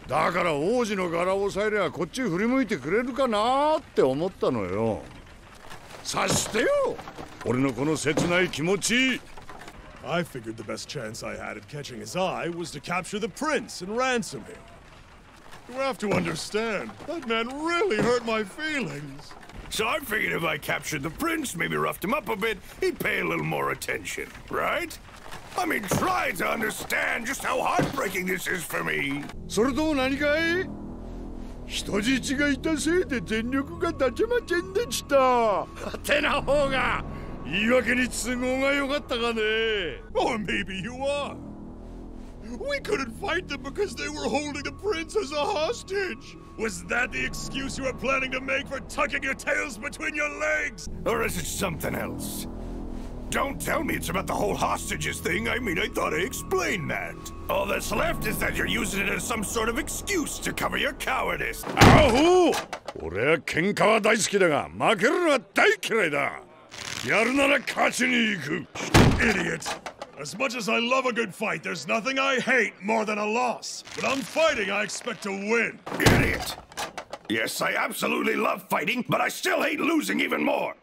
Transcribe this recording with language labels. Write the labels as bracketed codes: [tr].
[ja] だから王子の柄を抑えればこっち振り向いてくれるかなって思ったのよ。察してよ、俺のこの切ない気持ち。 [en] I figured the best chance I had of catching his eye was to capture the prince and ransom him. You have to understand, that man really hurt my feelings. So I figured if I captured the prince, maybe roughed him up a bit, he'd pay a little more attention, right? I mean, try to understand just how heartbreaking this is for me. [ja] それと何かい？人質がいたせいで全力が立ちませんでした。てな方が言い訳に都合が良かったかね。 [en] Or maybe you are. We couldn't fight them because they were holding the prince as a hostage. Was that the excuse you were planning to make for tucking your tails between your legs? Or is it something else? Don't tell me it's about the whole hostages thing. I mean, I thought I explained that. All that's left is that you're using it as some sort of excuse to cover your cowardice. [ja] Aho! 俺は喧嘩は大好きだが、負けるのは大嫌いだ。やるなら勝ちに行く。 [en] Idiot! As much as I love a good fight, there's nothing I hate more than a loss. When I'm fighting, I expect to win. Idiot! Yes, I absolutely love fighting, but I still hate losing even more.